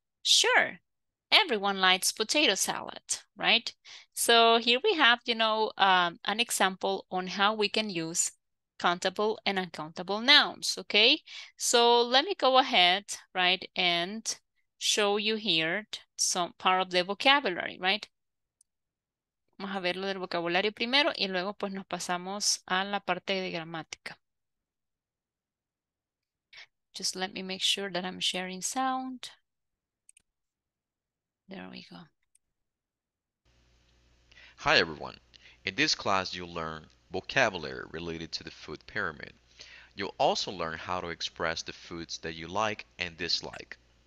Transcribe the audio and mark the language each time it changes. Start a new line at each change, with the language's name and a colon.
English: Sure, everyone likes potato salad, right? So here we have, you know, an example on how we can use countable and uncountable nouns, okay? So let me go ahead, right, and show you here some part of the vocabulary, right?
Spanish: Vamos a ver lo del vocabulario primero y luego pues nos pasamos a la parte de gramática.
English: Just let me make sure that I'm sharing sound. There we go. Hi everyone. In this class you'll learn vocabulary related to the food pyramid. You'll also learn how to express the foods that you like and dislike.